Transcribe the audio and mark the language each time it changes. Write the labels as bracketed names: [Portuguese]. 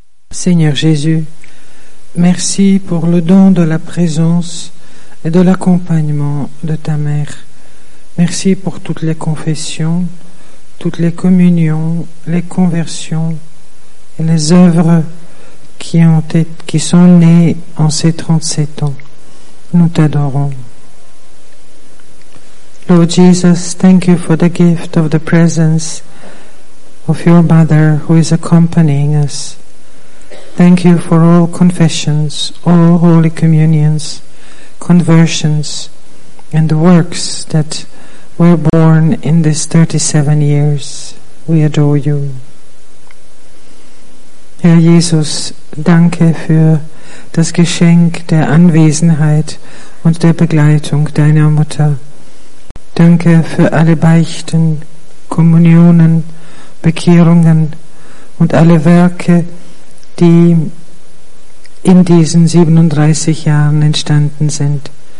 [French] Seigneur Jésus, merci pour le don de la présence et de l'accompagnement de ta mère. Merci pour toutes les confessions, toutes les communions, les conversions et les œuvres qui sont nées en ces 37 ans. Nous t'adorons. [English] Lord Jesus, thank you for the gift of the presence of your mother who is accompanying us. Thank you for all confessions, all holy communions, conversions, and the works that were born in these 37 years. We adore you. [German] Herr Jesus, danke für das Geschenk der Anwesenheit und der Begleitung deiner Mutter. Danke für alle Beichten, Kommunionen, Bekehrungen und alle Werke, die in diesen 37 Jahren entstanden sind.